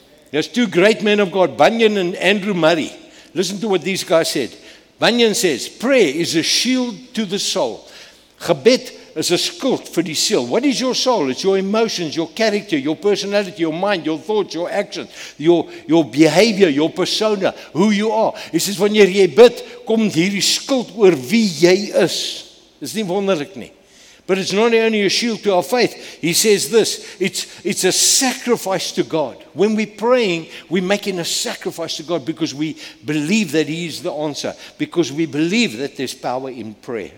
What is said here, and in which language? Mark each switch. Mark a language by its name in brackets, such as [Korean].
[English] There's two great men of God, Bunyan and Andrew Murray. Listen to what these guys said. Bunyan says, prayer is a shield to the soul. Gebed is a skild vir die siel. What is your soul? It's your emotions, your character, your personality, your mind, your thoughts, your actions, your behavior, your persona, who you are. [Afrikaans] He says, wanneer jy bid, kom hierdie skild oor wie jy is. Is nie wonderlik nie. [English] But it's not only a shield to our faith. He says this, it's a sacrifice to God. When we're praying, we're making a sacrifice to God because we believe that he is the answer. Because we believe that there's power in prayer.